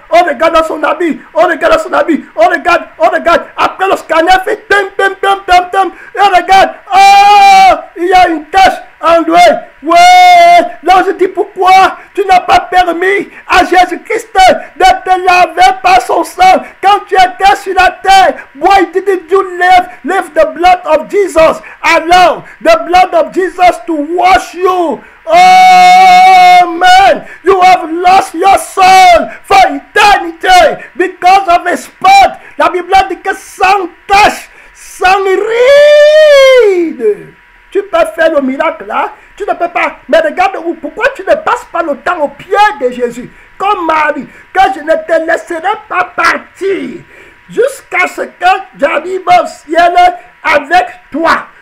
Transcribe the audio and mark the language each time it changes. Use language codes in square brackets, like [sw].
[fr] On regarde dans son habit. On regarde. Après le scanner fait tim. Et on regarde. Oh, il y a une tache en lui. Ouais. L'ange dit, pourquoi tu n'as pas permis à Jésus-Christ de te laver par son sang quand tu étais sur la terre? [en] Why did you leave the blood of Jesus? Allow the blood of Jesus to wash you. Amen. You have lost your soul for eternity because of a spot. [fr] La Bible dit que sans tache, sans ride. Tu peux faire le miracle là. Tu ne peux pas. Mais regarde où. Pourquoi tu ne passes pas le temps au pied de Jésus? Comme Marie, que je ne te laisserai pas partir jusqu'à ce que j'arrive au ciel avec toi.